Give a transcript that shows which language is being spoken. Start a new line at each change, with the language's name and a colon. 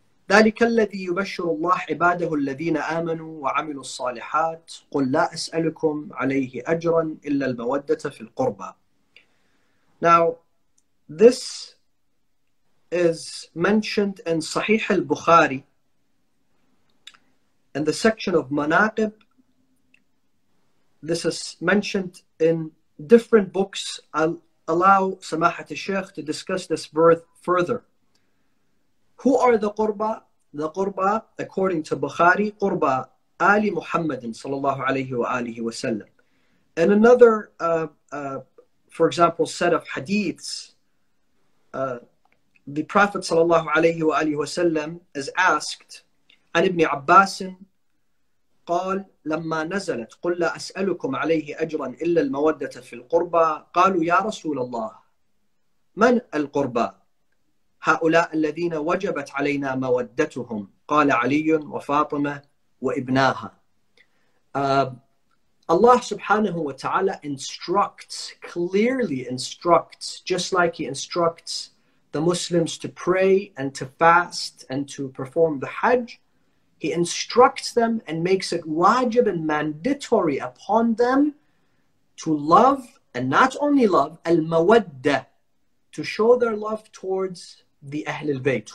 Arabic: ذلك الذي يبشر الله عباده الذين آمنوا وعملوا الصالحات قل لا أسألكم عليه أجرا إلا المودة في القربى.
English: Now, this is mentioned in Sahih al-Bukhari in the section of Manaqib. This is mentioned in different books. I'll allow Samahat al-Sheikh to discuss this further. Who are the qurba? The qurba, according to Bukhari, qurba Ali Muhammadin sallallahu alayhi wa alihi wa sallam. And another, for example, set of hadiths, the Prophet sallallahu alayhi wa alihi wa sallam is asked, an ibn Abbasin,
Arabic: قال لما نزلت قل لا أسألكم عليه أجرا إلا المودة في القربى قالوا يا رسول الله من القربى هؤلاء الذين وجبت علينا مودتهم قال علي وفاطمة وابناها.
English: Allah subhanahu wa ta'ala clearly instructs, just like he instructs the Muslims to pray and to fast and to perform the Hajj, he instructs them and makes it wajib and mandatory upon them to love, and not only love, al-mawadda, to show their love towards the Ahlul Bayt.